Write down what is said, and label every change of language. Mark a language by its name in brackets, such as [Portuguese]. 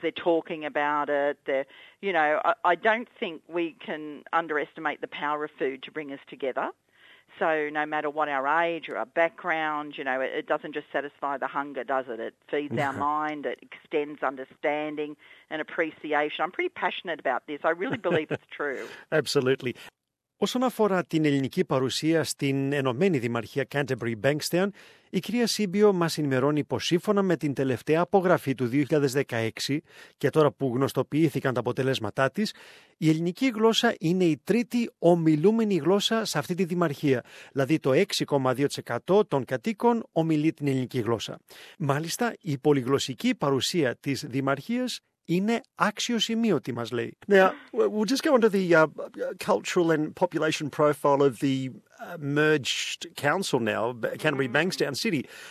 [English] They're talking about it. They're, you know, I don't think we can underestimate the power of food to bring us together. So no matter what our age or our background, you know, it doesn't just satisfy the hunger, does it? It feeds our mind, it extends understanding and appreciation. I'm pretty passionate about this. I really believe it's true. Absolutely. [Greek] Όσον αφορά την ελληνική παρουσία στην Ενωμένη Δημαρχία Canterbury Bankstown, η κυρία Σίμπιο μας ενημερώνει πως σύμφωνα με την τελευταία απογραφή του 2016 και τώρα που γνωστοποιήθηκαν τα αποτελέσματά της, η ελληνική γλώσσα είναι η τρίτη ομιλούμενη γλώσσα σε αυτή τη δημαρχία, δηλαδή το 6,2% των κατοίκων ομιλεί την ελληνική γλώσσα. Μάλιστα, η πολυγλωσσική παρουσία της δημαρχίας είναι άξιο σημείο, τι μας λέει. [English] Now, we'll just go on to the cultural and population profile of the merged council now, Canterbury Bankstown City.